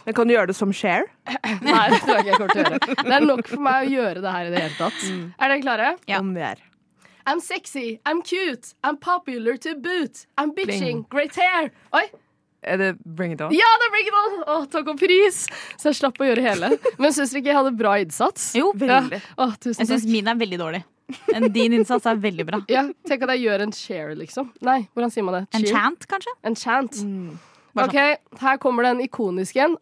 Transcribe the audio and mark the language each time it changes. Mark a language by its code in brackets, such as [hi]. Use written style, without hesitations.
[no] Men kan du gjøre det som share? Nei, det tror jeg ikke jeg kommer til å gjøre. Det er nok for meg å gjøre det her i det hele tatt. Er dere klare? Ja. Om vi er. [en] I'm sexy, I'm cute, I'm popular to boot, I'm bitching, bling. Great hair. Oi! [no] Er det Bring It On? Ja, det er Bring It On! Å, takk og pris! Så jeg slapp å gjøre hele. Men synes dere ikke jeg hadde bra innsats? Jo, veldig. Ja. Å, tusen takk. Jeg synes min er veldig dårlig. Din innsats er veldig bra. Ja, tenk at jeg gjør en cheer liksom. Nei, hvordan sier man det? En chant kanskje? En chant. Ok, her kommer det en ikonisk igjen.